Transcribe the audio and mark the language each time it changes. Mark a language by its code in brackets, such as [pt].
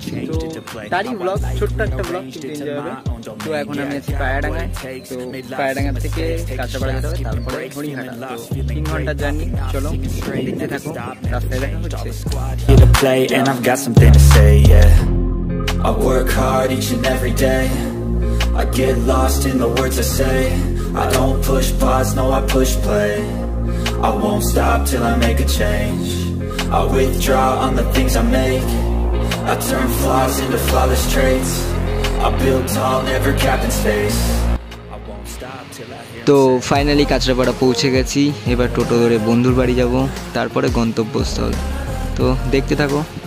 [bn] তো তারই ব্লগ, ছোট্ট একটা ব্লগ এনজয় হবে। তো এখন আমি আছি পায়রাডাঙ্গায়। তো পায়রাডাঙ্গা থেকে কাঁচাপাড়া যেতে হবে, তারপরে হরিঘাটা। তো 3 ঘন্টার জার্নি, চলো দেখতে থাকো রাস্তায় দেখা হচ্ছে। [en] I work hard each and every day. I get lost in the words I say. I don't push pause, no, I push play. I won't stop till I make a change. I withdraw on the things I make. I turn flaws into flawless traits. I build tall, never cap in space. I won't stop till I hear. [bn] তো finally Kanchrapara পৌঁছে গেছি। এবার টোটো ধরে বন্ধুর বাড়ি যাব, তারপরে গন্তব্যস্থল। তো দেখতে থাকো।